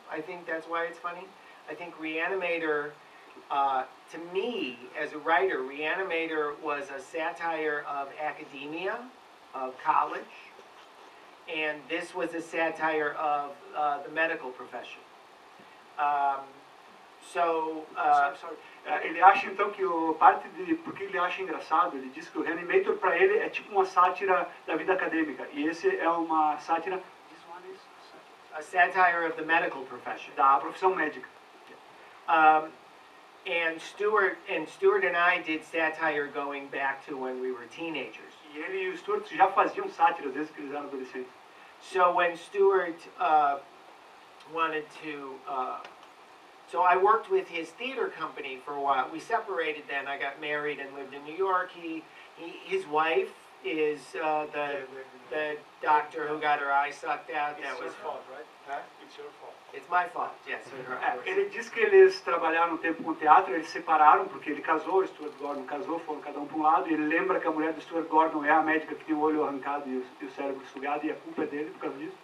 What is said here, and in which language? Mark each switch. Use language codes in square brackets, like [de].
[en] I think that's why it's funny. I think Reanimator, to me, as a writer, Reanimator was a satire of academia, of college. And this was a satire of the medical profession. So, [pt] ele acha então que o parte de porque ele acha engraçado, ele diz que o Reanimator para ele é tipo uma sátira da vida acadêmica. E esse é uma sátira. [en] This one is a satire of the medical profession. [pt] Da profissão médica. [en] And Stuart and I did satire going back to when we were teenagers. [pt] E ele e o Stuart já faziam sátiras desde que eles eram adolescentes. [en] So when Stuart wanted to So I worked with his theater company for a while. We separated then. I got married and lived in New York. His wife is the doctor who got her eye sucked out. It's your fault, right? Huh? It's your fault. It's my fault. Yes. [pt] Ele disse que eles trabalharam um tempo com teatro, eles separaram porque ele casou, Stuart Gordon casou, foram cada um para um lado. E ele lembra que a mulher do Stuart Gordon é a médica que tem o olho arrancado e o cérebro sugado e a culpa é dele por causa disso.